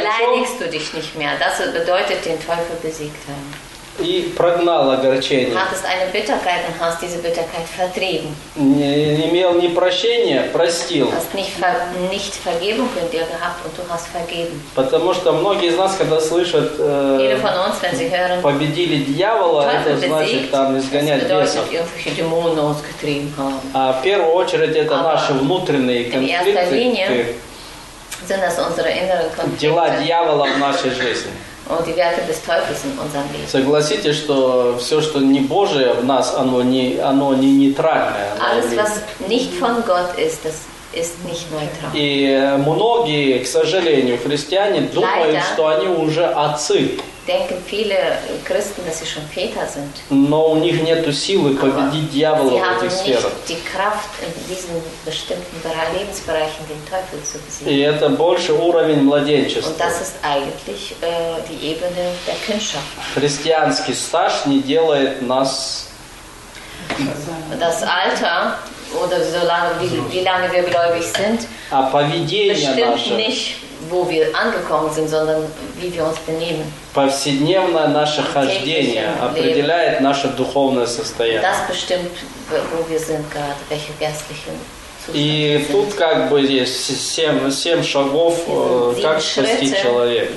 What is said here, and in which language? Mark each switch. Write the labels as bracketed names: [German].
[German] Beleidigst du dich nicht mehr. Das bedeutet, den Teufel besiegt haben. [Russian] И прогнал огорчение. [German] Hattest eine Bitterkeit und hast diese Bitterkeit vertrieben. [Russian] Имел не прощение, простил. [German] Hast nicht Vergebung in dir gehabt und du hast vergeben. [Russian] Потому что многие из нас, когда слышат, [German] viele von uns, wenn sie hören, [Russian] победили дьявола, это значит там изгонять бесов. [German] Bedeutet, irgendwelche Dämonen ausgetrieben haben. [Russian] А в первую очередь это наши внутренние конфликты, [German] sind das unsere inneren Konflikte. [Russian] Дела дьявола в нашей жизни. [German] Und die Werte des Teufels in unserem Leben. [Russian] Согласитесь, что все, что не Божие в нас, оно не нейтральное. [German] Alles, was nicht von Gott ist, das ist nicht neutral. [Russian] И многие, к сожалению, христиане думают, [German] Leider, [Russian] что они уже отцы. [German] Denken viele Christen, dass sie schon Väter sind. [Russian] Но у них нету силы победить дьявола в этих сферах. [German] Sie haben nicht die Kraft in diesen bestimmten Lebensbereichen den Teufel zu besiegen. [Russian] И это больше уровень младенчества. [German] Und das ist eigentlich die Ebene der Kindschaft. [Russian] Христианский стаж не делает нас. [German] Das Alter oder so lange, wie lange wir gläubig sind, [Russian] а поведение [German] bestimmt [Russian] наше. [German] Nicht. Wo wir angekommen sind, sondern wie wir uns benehmen. [Russian] Повседневное наше хождение определяет наше духовное состояние. [German] Das bestimmt, wo wir sind gerade, welche geistlichen Zustände. [Russian] И тут как бы есть семь шагов, как спасти человека.